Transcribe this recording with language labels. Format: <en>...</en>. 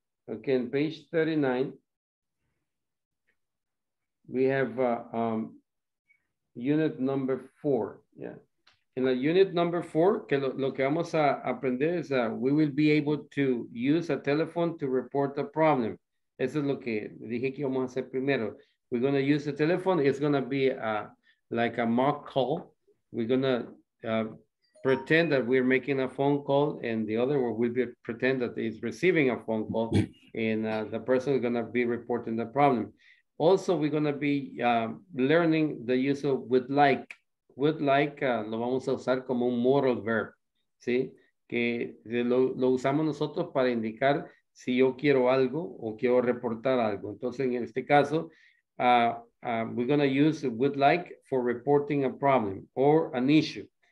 <en>Okay, in page 39, we have unit number 4, yeah. In the unit number 4,</en> <es>que lo que vamos a aprender es</es> <en>we will be able to use a telephone to report a problem.</en> <es>Eso es lo que dije que vamos a hacer primero.</es> <en>We're going to use the telephone. It's going to be like a mock call. We're going to pretend that we're making a phone call, and the other one will be pretend that it's receiving a phone call, and the person is going to be reporting the problem. Also, we're going to be learning the use of would like.</en> <es>Would like, lo vamos a usar como un modal verb, ¿sí? Que lo usamos nosotros para indicar si yo quiero algo o quiero reportar algo. Entonces, en este caso,</es> <en>we're going to use would like for reporting a problem or an issue.</en>